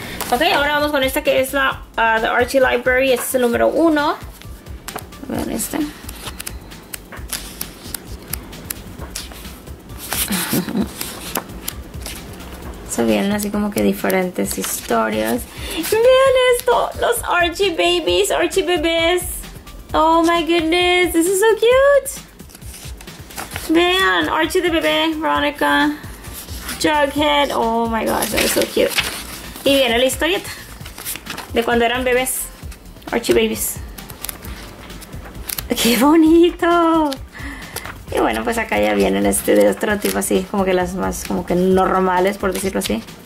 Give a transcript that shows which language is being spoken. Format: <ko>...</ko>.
<es>Ok, ahora vamos con esta que es la The Archie Library. Este es el número 1. Vean este. Se vienen así como que diferentes historias. Vean esto, los Archie babies, Archie bebés.</es> <en>Oh my goodness, this is so cute.</en> <es>Vean, Archie de bebé,</es> <en>Veronica, Jughead. Oh my gosh, that is so cute.</en> <es>Y viene la historieta de cuando eran bebés, Archie babies. Qué bonito. Y bueno, pues acá ya vienen este de otro tipo así, como que las más como que normales, por decirlo así.</es>